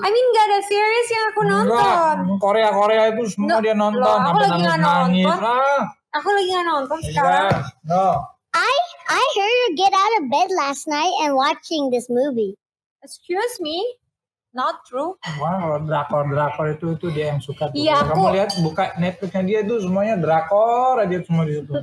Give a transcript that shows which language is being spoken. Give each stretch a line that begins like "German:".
English: I mean
Indonesian: nggak ada series yang aku nonton. Korea Korea itu semua dia nonton. Loh, aku lagi nggak nonton. Aku lagi nggak nonton sekarang.
English: No. I heard you get out of bed last night and watching this movie. Excuse me, not true.
Indonesian: Wow, drakor-drakor itu dia yang suka tuh. Ya, kamu lihat buka Netflixnya dia tuh semuanya drakor aja semua di situ.